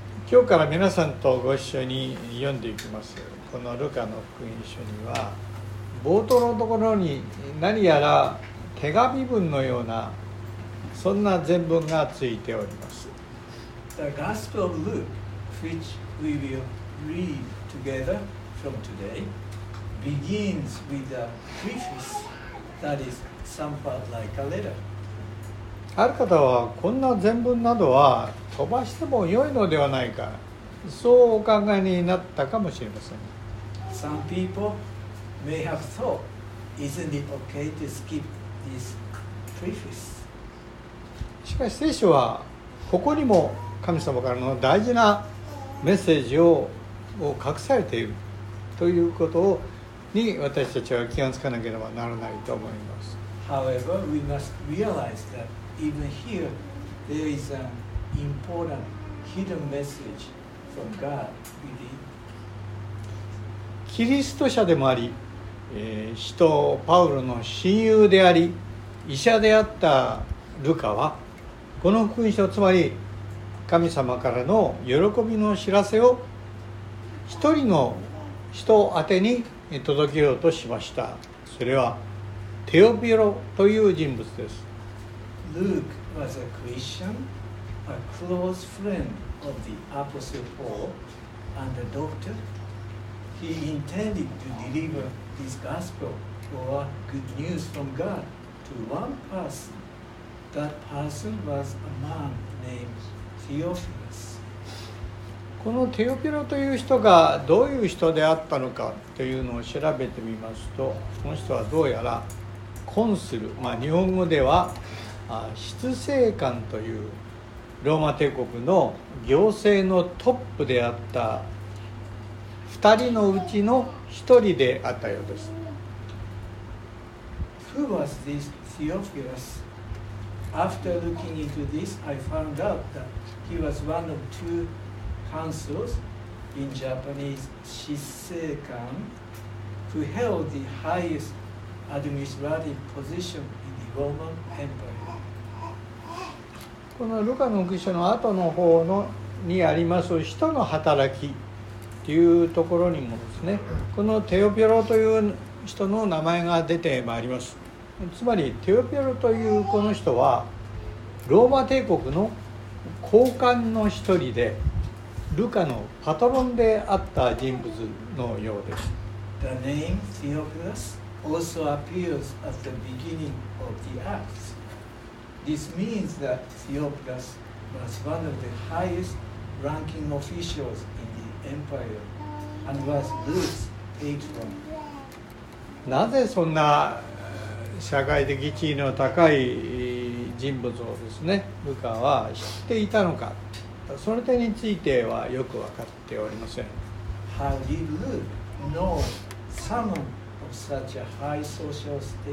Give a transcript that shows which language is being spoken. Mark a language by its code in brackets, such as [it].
[ja] 今日から皆さんとご一緒に読んでいきます。このルカの福音書には冒頭のところに何やら手紙文のようなそんな全文がついております。 [en] The Gospel of Luke, which we will read together from today, begins with a preface that is somewhat like a letter. [ja] ある方はこんな全文などは飛ばしても良いのではないか、そうお考えになったかもしれません。 [en] Some people may have thought, isn't it okay to skip this preface? [ja] しかし聖書はここにも神様からの大事なメッセージを隠されているということに私たちは気がつかなければならないと思います。 [en] However, we must realize that even here there is an important hidden message from God within. [ja] キリスト者でもあり、使徒パウロの親友であり、医者であったルカは、この福音書、つまり神様からの喜びの知らせを一人の人宛てに届けようとしました。それはテオピロという人物です。 [en] Luke was a Christian, a close friend of the Apostle Paul, and a doctor. He intended to deliver this gospel or good news from God to one person. That person was a man named Theophilus. [ja] このテオピロという人がどういう人であったのかというのを調べてみますと、この人はどうやらコンスル、まあ日本語では執政官というローマ帝国の行政のトップであった二人のうちの一人であったようです。 [en] Who was this Theophilus? After looking into this, I found out that he was one of two consuls, in Japanese, 執政官, who held the highest administrative position in the Roman Empire. [ja] このルカの福音書の後の方のにあります使徒の働きというところにもですね、このテオピロという人の名前が出てまいります。つまりテオピロというこの人はローマ帝国の高官の一人でルカのパトロンであった人物のようです。 [en] The name Theophilus also appears at the beginning of the Acts. This means that Theophilus was one of the highest ranking officials inEmpire, [ja] なぜそんな社会的地位の高い人物をですね、ルカは知っていたのか、その点についてはよく分かっておりません。 [en] How did Luke know someone of such a high social status?